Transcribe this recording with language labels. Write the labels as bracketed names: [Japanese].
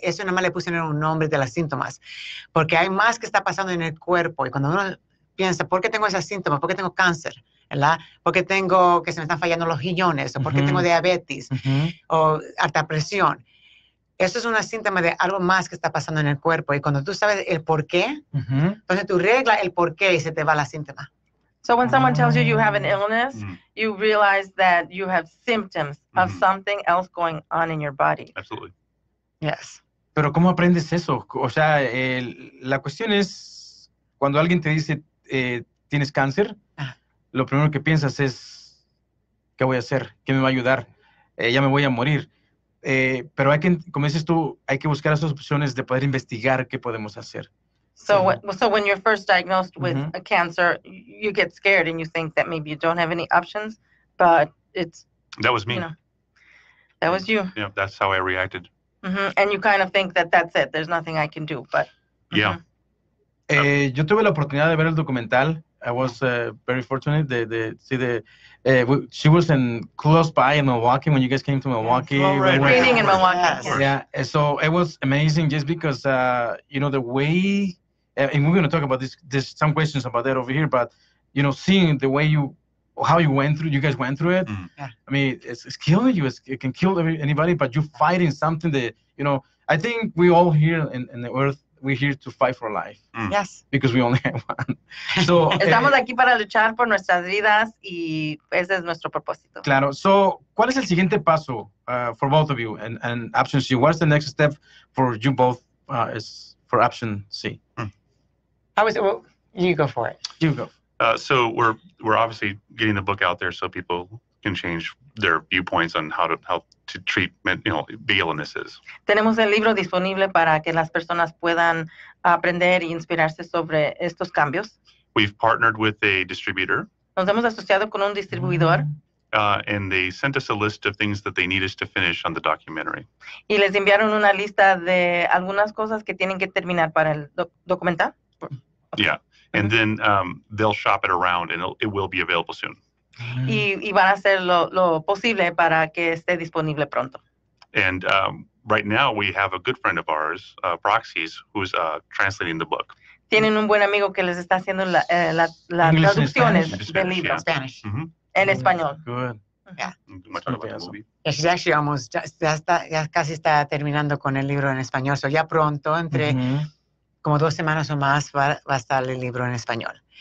[Spanish] Eso nada más le pusieron un nombre de los síntomas. Porque hay más que está pasando en el cuerpo. Y cuando uno piensa, ¿por qué tengo esos síntomas? ¿Por qué tengo cáncer? ¿Verdad? Porque tengo que se me están fallando los riñones, o porque uh-huh. tengo diabetes, uh-huh. o alta presión. Eso es un síntoma de algo más que está pasando en el cuerpo. Y cuando tú sabes el por qué, uh-huh. entonces tú regla el por qué y se te va la síntoma. [English] So when someone tells you have an illness, mm-hmm. you realize that you have symptoms mm-hmm. of something else going on in your body. Absolutely. Yes. [Spanish] Pero ¿cómo aprendes eso? O sea, la cuestión es, cuando alguien te dice, ¿tienes cáncer? Lo primero que piensas es, ¿qué voy a hacer? ¿Qué me va a ayudar? Ya me voy a morir. Pero hay que, como dices tú, hay que buscar esas opciones de poder investigar qué podemos hacer. [English] So when you're first diagnosed with mm-hmm. a cancer, you get scared and you think that maybe you don't have any options, but it's... That was me. You know, that was you. Yeah, that's how I reacted. Mm-hmm. And you kind of think that that's it. There's nothing I can do, but... Mm-hmm. Yeah. [Spanish] Yo tuve la oportunidad de ver el documental. [English] I was very fortunate to see the. She was in close by in Milwaukee when you guys came to Milwaukee. Yeah, well, right. Raining in Milwaukee. Yeah, so it was amazing just because you know the way, and we're going to talk about this some questions about that over here. But you know, seeing the way you guys went through it. Mm. Yeah. I mean, it's killing you. It can kill anybody, but you're fighting something that you know. I think we all here in the earth, we're here to fight for life. Mm. Yes. Because we only have one. So, [Spanish] estamos aquí para luchar por nuestras vidas y ese es nuestro propósito. Claro. So, ¿cuál es el siguiente paso [English] for both of you and option C? What's the next step for you both is for option C? Mm. I was, well, you go for it. You go. So we're obviously getting the book out there so people can change their viewpoints on how to treat, you know, the illnesses. [Spanish] Tenemos el libro disponible para que las personas puedan aprender y inspirarse sobre estos cambios. [English] We've partnered with a distributor. [Spanish] Nos hemos asociado con un distribuidor. [English] And they sent us a list of things that they need us to finish on the documentary. [Spanish] Y les enviaron una lista de algunas cosas que tienen que terminar para el documental. [English] Okay. Yeah. And then they'll shop it around, and it will be available soon. [Spanish] Y van a hacer lo posible para que esté disponible pronto. [English] And right now we have a good friend of ours, Proxies, who's translating the book. [Spanish] Tienen un buen amigo que les está haciendo las traducciones del libro. [English] Spanish. Spanish. [Spanish] Mm-hmm. En español. [English] Good. Yeah. Much about the movie. Yeah, she's actually almost, [Spanish] ya casi está terminando con el libro en español. So ya pronto, entre... Mm-hmm. Como dos semanas o más va a estar el libro en español.